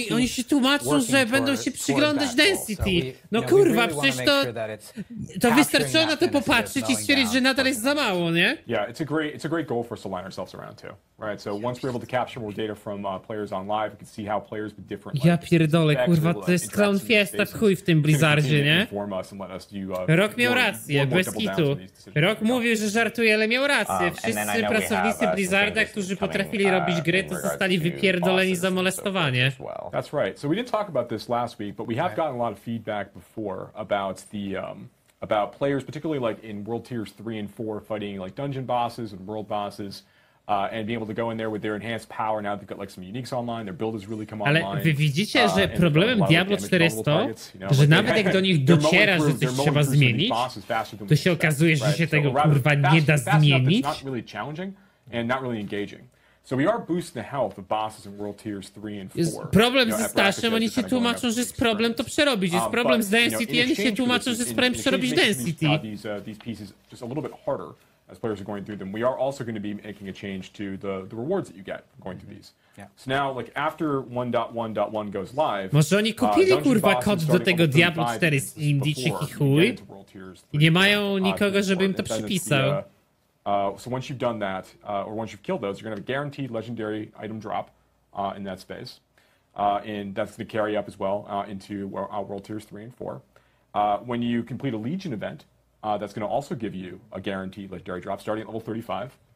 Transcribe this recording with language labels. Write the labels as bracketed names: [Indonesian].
[Polish] Oni się tłumaczą, że będą się przyglądać density. No kurwa, przecież to wystarczy na to popatrzeć i stwierdzić, że nadal jest za mało, nie? [English] Yeah, it's a great goal for us to align ourselves around too. Right, so once we're able to capture more data from players on live, we can see how players with different. [Polish] Ja pierdolę, kurwa, to jest [English] clown fiesta [Polish] w chuj w tym Blizzardzie, nie? Rok miał rację, bez kitu. Rok mówił, że żartuje, ale miał rację. Wszyscy pracownicy Blizzarda, którzy potrafili robić gry, to zostali wypierdoleni za molestowanie. [English] That's right. So we didn't talk about this last week, but we have gotten a lot of feedback before about the about players, particularly like in World Tiers 3 and 4, fighting like dungeon bosses and world bosses. And being able to go in there with their enhanced power, now they've got like some uniques online, their build has really come online. [Polish] Ale wy widzicie, że problemem Diablo 4 jest to, że nawet jak do nich dociera, że coś trzeba zmienić, to się okazuje, że się tego kurwa nie da zmienić. [English] It's not really challenging and not really engaging. So we are boosting the health of bosses in World Tiers 3 and 4. [Polish] Jest problem ze Staszem, oni się tłumaczą, że jest problem to przerobić. Jest problem z density, oni się tłumaczą, że jest problem przerobić density. [English] These pieces just a little bit harder. As players are going through them, we are also going to be making a change to the rewards that you get going through these. Yeah. So now, like, after 1.1.1 goes live, [Polish] może oni kupili kurwa kod do tego Diablo 4 z Indii, czy chuj, i nie mają nikogo, żeby im to przypisał. [English] So once you've done that, or once you've killed those, you're going to have a guaranteed legendary item drop in that space. And that's going to carry up as well into our World Tiers 3 and 4. When you complete a Legion event, that's going to also give you a guaranteed legendary drop starting at level 35.